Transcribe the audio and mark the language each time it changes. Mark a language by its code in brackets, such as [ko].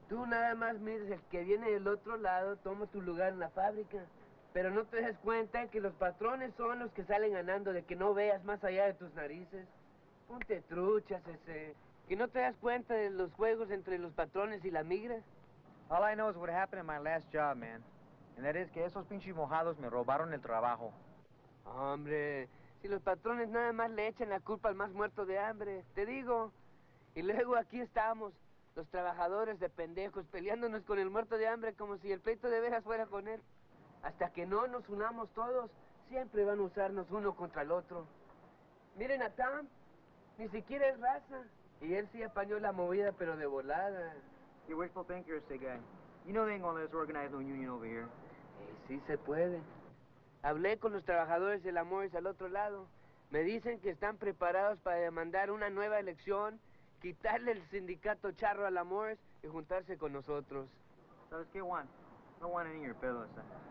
[es] Tú nada más mires el que viene del otro lado, toma tu lugar en la fábrica. Pero no te des cuenta que los patrones son los que salen ganando de que no veas más allá de tus narices. Ponte truchas, ese. ¿Que no te das cuenta de los juegos entre los patrones y la migra? [en] All I know is what happened in my last job, man. And that is [es] que esos pinches mojados me robaron el trabajo. Hombre, si los patrones nada más le echan la culpa al más muerto de hambre, te digo. Y luego aquí estamos, los trabajadores de pendejos, peleándonos con el muerto de hambre como si el pleito de veras fuera con él. Hasta que no nos unamos todos, siempre van a usarnos uno contra el otro. Miren a Tom, ni siquiera es raza. Y él sí apañó la movida, pero de volada. [en] You wishful thinker, [es] este guy. [en] You know they ain't gonna let us organize no union over here. [es] Hey, sí se puede. Hablé con los trabajadores de la Morris al otro lado. Me dicen que están preparados para demandar una nueva elección, quitarle el sindicato charro a la Morris y juntarse con nosotros. ¿Sabes qué, Juan? [en] No want any of your [es] pedo, esa.